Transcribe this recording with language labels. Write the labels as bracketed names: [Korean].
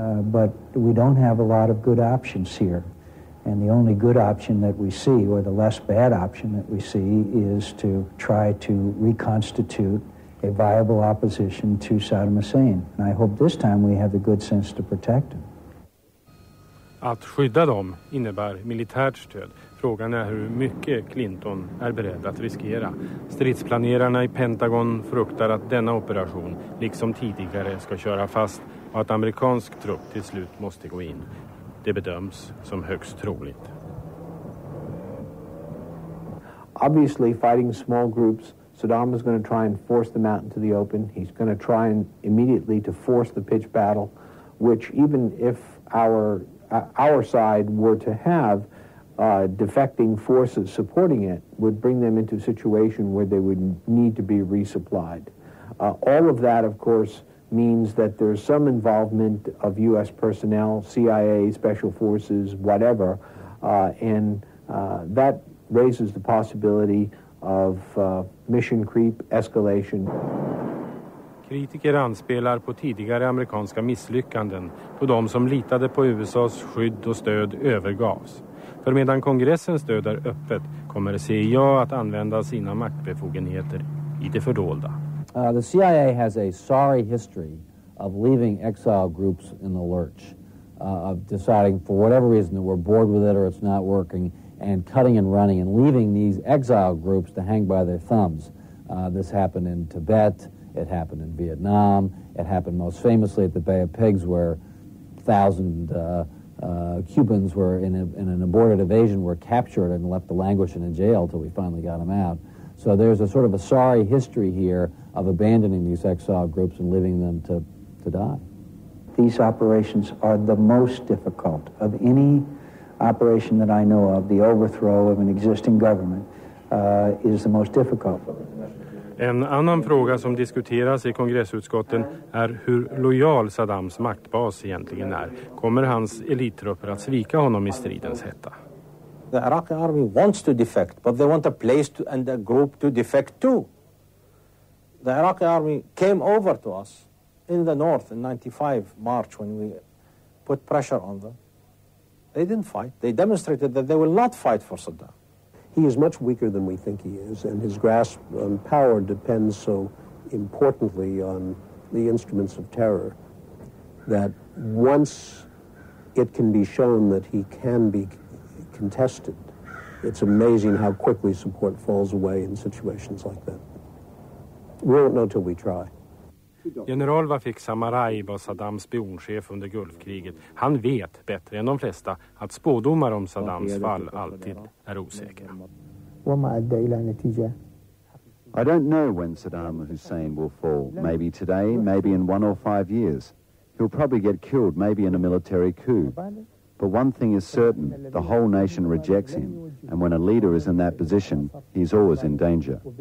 [English] But we don't have a lot of good options here. And the only good option that we see, or the less bad option that we see, is to try to reconstitute a viable opposition to Saddam Hussein. And I hope this time we have the good sense to protect him. [Swedish] Att skydda dem innebär militärt stöd. Frågan är hur mycket Clinton är beredd att riskera. Stridsplanerarna i Pentagon fruktar att denna operation, liksom tidigare, ska köra fast och att amerikansk trupp till slut måste gå in. Det bedöms som högst troligt. [English] Obviously fighting small groups, Saddam is going to try and force them out into the open. He's going to try and immediately to force the pitch battle, which even if our side were to have defecting forces supporting it, would bring them into a situation where they would need to be resupplied. All of that, of course, means that there's some involvement of U.S. personnel, CIA, special forces, whatever, and that raises the possibility of mission creep, escalation. [Swedish] Kritiker anspelar på tidigare amerikanska misslyckanden, på de som litade på USA:s skydd och stöd övergavs. För medan kongressen stöder öppet kommer CIA att använda sina maktbefogenheter i det fördolda. [English] The CIA has a sorry history of leaving exile groups in the lurch, of deciding for whatever reason that we're bored with it or it's not working, and cutting and running and leaving these exile groups to hang by their thumbs. This happened in Tibet, it happened in Vietnam, it happened most famously at the Bay of Pigs, where 1,000 Cubans were in an aborted evasion, were captured and left to languish in a jail till we finally got them out. So there's a sort of a sorry history here of abandoning these exile groups and leaving them to die. These operations are the most difficult of any operation that I know of. The overthrow of an existing government is the most difficult. [Swedish] En annan fråga som diskuteras i kongressutskotten är hur lojal Saddams maktbas egentligen är. Kommer hans elittrupper att svika honom i stridens hetta? [English] The Iraqi army wants to defect, but they want a place to and a group to defect to. The Iraqi army came over to us in the north in 95 March when we put pressure on them. They didn't fight. They demonstrated that they will not fight for Saddam. He is much weaker than we think he is, and his grasp on power depends so importantly on the instruments of terror that once it can be shown that he can be contested, it's amazing how quickly support falls away in situations like that. We won't know till we try. [Swedish] General Vafik Samaray var Saddams spionchef under Gulfkriget. Han vet bättre än de flesta att spådomar om Saddams fall alltid är osäkra. [English] I don't know when Saddam Hussein will fall. Maybe today, maybe in 1 or 5 years. He'll probably get killed, maybe in a military coup. But one thing is certain, the whole nation rejects him. And when a leader is in that position, he's always in danger.